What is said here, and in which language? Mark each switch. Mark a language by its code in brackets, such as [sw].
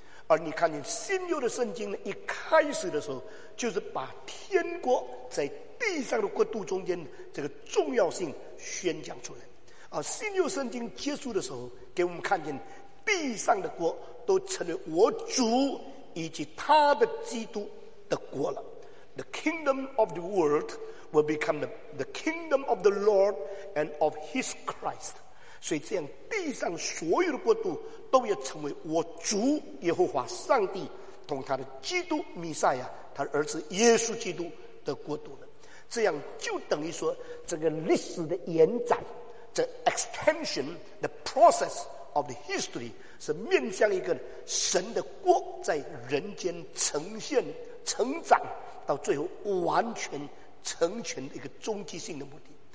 [zh] 而你看见新约的圣经呢，一开始的时候就是把天国在地上的国度中间这个重要性宣讲出来，而新约圣经结束的时候给我们看见地上的国都成为我主以及他的基督的国了。 [en] The kingdom of the world will become the kingdom of the Lord and of his Christ。 [zh] 所以这样地上所有的国度都要成为我主耶和华上帝同他的基督弥赛亚他的儿子耶稣基督的国度了。这样就等于说这个历史的延展 [en] The extension, the process of the history [zh] 是面向一个神的国在人间呈现成长到最后完全成全的一个终极性的目的。